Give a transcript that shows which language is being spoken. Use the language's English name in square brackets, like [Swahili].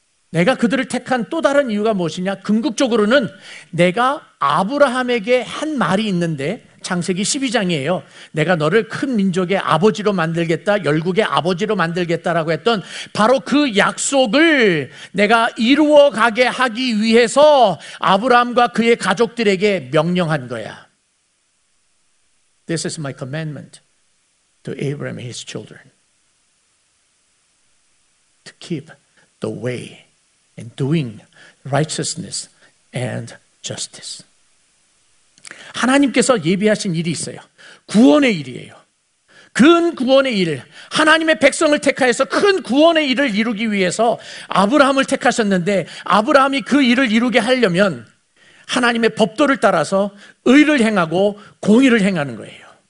[Korean] 내가 그들을 택한 또 다른 이유가 무엇이냐? 궁극적으로는 내가 아브라함에게 한 말이 있는데, 창세기 12장이에요. 내가 너를 큰 민족의 아버지로 만들겠다, 열국의 아버지로 만들겠다라고 했던 바로 그 약속을 내가 이루어가게 하기 위해서 아브라함과 그의 가족들에게 명령한 거야. [English] This is my commandment to Abraham and his children. To keep the way and doing righteousness and justice. [Korean] 하나님께서 예비하신 일이 있어요. 구원의 일이에요. 큰 구원의 일, 하나님의 백성을 택하여서 큰 구원의 일을 이루기 위해서 아브라함을 택하셨는데, 아브라함이 그 일을 이루게 하려면 하나님의 법도를 따라서 의를 행하고 공의를 행하는 거예요.